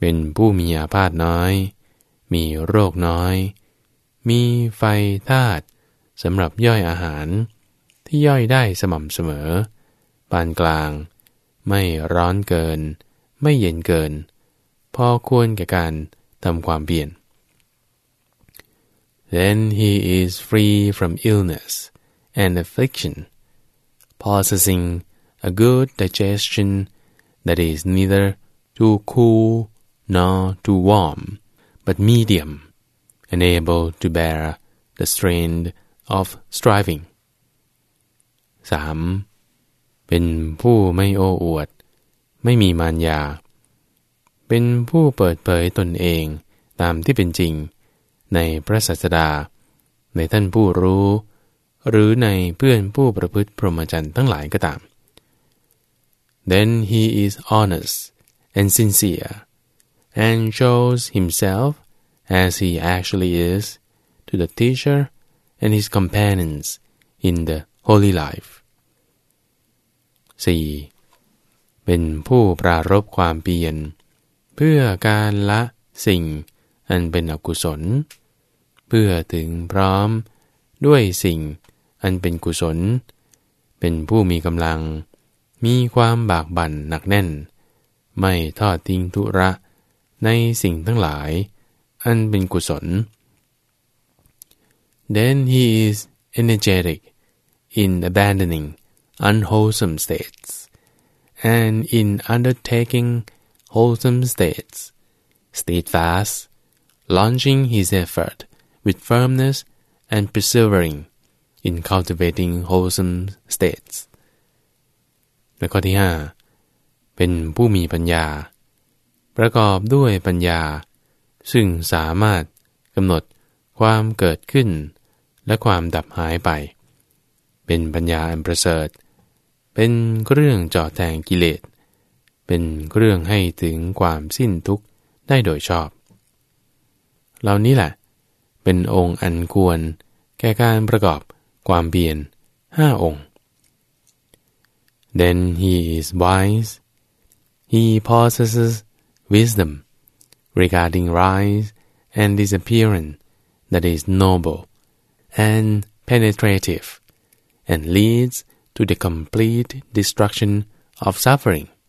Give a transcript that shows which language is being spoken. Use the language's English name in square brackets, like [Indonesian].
[Thai] เป็นผู้มีอาพาธน้อยมีโรคน้อยมีไฟธาตุสำหรับย่อยอาหารที่ย่อยได้สม่ำเสมอปานกลางไม่ร้อนเกินไม่เย็นเกินพอควรแก่การทำความเพียร [English] Then he is free from illness and affliction, possessing a good digestion that is neither too cool nor too warm, but medium, and able to bear the strain of striving. [Thai] 3. เป็นผู้ไม่โอ้อวดไม่มีมารยาเป็นผู้เปิดเผยตนเองตามที่เป็นจริงในพระศาสดาในท่านผู้รู้หรือในเพื่อนผู้ประพฤติพรหมจรรย์ทั้งหลายก็ตาม [English] Then he is honest and sincere, and shows himself as he actually is to the teacher and his companions in the holy life. [Thai] 4. เป็นผู้ปรารภความเพียรเพื่อการละสิ่งอันเป็นอกุศลเพื่อถึงพร้อมด้วยสิ่งอันเป็นกุศลเป็นผู้มีกำลังมีความบากบั่นหนักแน่นไม่ทอดทิ้งธุระในสิ่งทั้งหลายอันเป็นกุศล [English] Then he is energetic in abandoning unwholesome states and in undertaking wholesome states, steadfast, launching his effort with firmness and persevering in cultivating wholesome states. [Thai] และข้อที่ 5. เป็นผู้มีปัญญาประกอบด้วยปัญญาซึ่งสามารถกำหนดความเกิดขึ้นและความดับหายไปเป็นปัญญาอันประเสริฐเป็นเครื่องเจาะแทงกิเลสเป็นเครื่องให้ถึงความสิ้นทุกข์ได้โดยชอบเหล่านี้แหละเป็นองค์อันควรแก่การประกอบความเพียร5องค์ [English] Then he is wise. He possesses wisdom regarding rise and disappearing that is noble and penetrative and leads to the complete destruction of suffering.